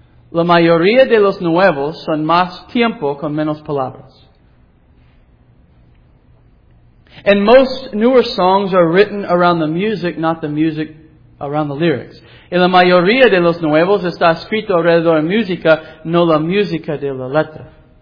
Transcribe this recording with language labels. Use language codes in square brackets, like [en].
[es] La mayoría de los nuevos son más tiempo con menos palabras. [en] And most newer songs are written around the music, not the music around the lyrics. [es] Y la mayoría de los nuevos está escrito alrededor de música, no la música de la letra.